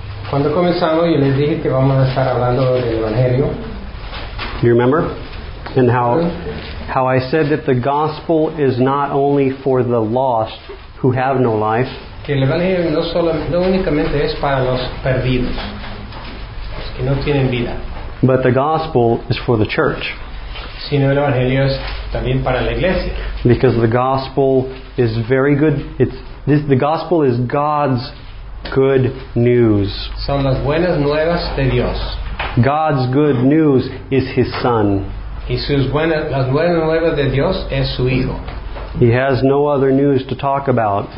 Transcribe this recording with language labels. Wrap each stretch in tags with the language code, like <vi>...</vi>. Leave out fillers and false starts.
<es>Cuando comenzamos, yo les dije que vamos a estar hablando del Evangelio.</es> <en>You remember? And how I said that the gospel is not only for the lost who have no life.</en> <es>Que el Evangelio no únicamente es para los perdidos, los que no tienen vida.</es> <en>But the gospel is for the church.</en> <es>Sino el Evangelio es también para la iglesia.</es> <en>Because the gospel is very good. The gospel is God's good news.</en> <es>Son las buenas nuevas de Dios.</es> <en>God's good news is His Son.</en> <es>Las buenas nuevas de Dios es su Hijo.</es> <en>He has no other news to talk about.</en>